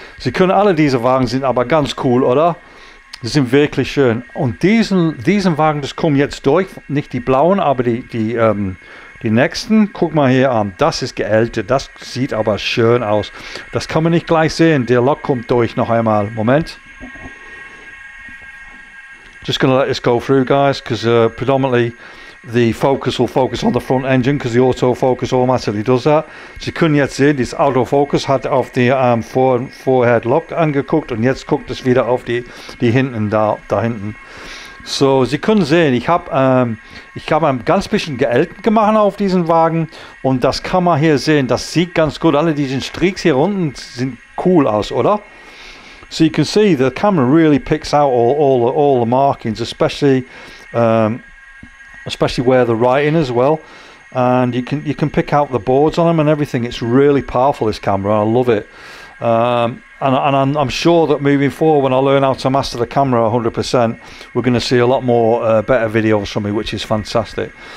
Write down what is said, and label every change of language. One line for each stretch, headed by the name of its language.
German: Sie können alle diese Wagen sind aber ganz cool, oder? Sie sind wirklich schön. Und diesen Wagen, das kommen jetzt durch, nicht die blauen, aber die nächsten. Guck mal hier an, das ist geältet, das sieht aber schön aus. Das kann man nicht gleich sehen, der Lok kommt durch noch einmal. Moment.
English: Just gonna let this go through, guys, because predominantly the focus will focus on the front engine because the autofocus automatically does that.
German: Sie können jetzt sehen, das Autofocus hat auf die Vorhead Lock angeguckt und jetzt guckt es wieder auf die hinten da hinten. So, Sie können sehen, ich habe ein ganz bisschen geältet gemacht auf diesen Wagen und das kann man hier sehen. Das sieht ganz gut. Alle diese Streaks hier unten sind cool aus, oder?
English: So you can see the camera really picks out all the markings, especially where the writing as well. And you can pick out the boards on them and everything. It's really powerful, this camera. I love it. And I'm sure that moving forward, when I learn how to master the camera 100%, we're going to see a lot more better videos from me, which is fantastic.